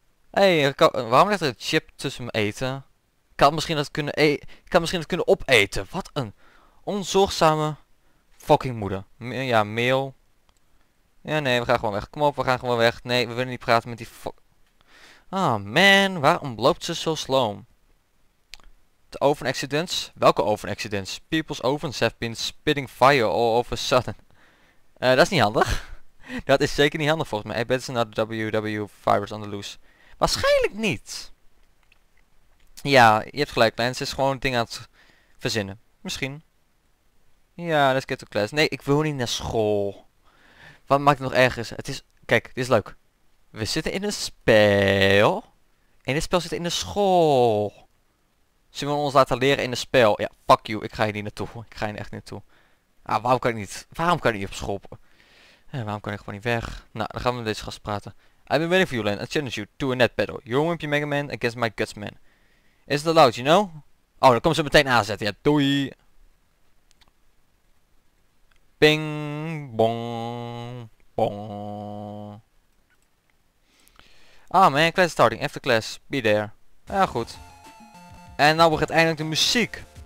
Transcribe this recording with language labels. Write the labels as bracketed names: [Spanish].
[Dutch] Hé, waarom ligt er een chip tussen mijn eten? Ik had misschien dat kunnen opeten. Wat een onzorgzame fucking moeder. Ja, mail. Ja, nee, we gaan gewoon weg. Kom op, we gaan gewoon weg. Nee, we willen niet praten met die fuck. Ah, man, waarom loopt ze zo sloom? [English] The oven accidents? [Dutch] Welke [English] oven accidents? People's ovens have been spitting fire all of a sudden. [Dutch] Dat is niet handig. Dat is zeker niet handig volgens mij. Hey, bet ze naar de WW Fibers [English] on the loose. [Dutch] Waarschijnlijk niet. Ja, je hebt gelijk. Lance is gewoon een ding aan het verzinnen. Misschien. Ja, [English] let's get to class. [Dutch] Nee, ik wil niet naar school. Wat maakt het nog ergens? Het is... Kijk, dit is leuk. We zitten in een spel. En dit spel zit in de school. Zullen we ons laten leren in een spel? Ja, [English] fuck you. [Dutch] Ik ga hier niet naartoe. Ik ga hier echt niet naartoe. Ah, waarom kan ik niet? Waarom kan ik niet op school? En waarom kan ik gewoon niet weg? Nou, dan gaan we met deze gast praten. [English] I've been waiting for you, Lan. I challenge you to a net battle. Your wimpy Mega Man against my guts man. Is it allowed, you know? [Dutch] Oh, dan komen ze meteen aanzetten. Ja, doei. Ping. Bong. Bong. [English] Ah, oh, man. Class starting. After class. Be there. [Dutch] Ja, goed. En nou begint eindelijk de muziek.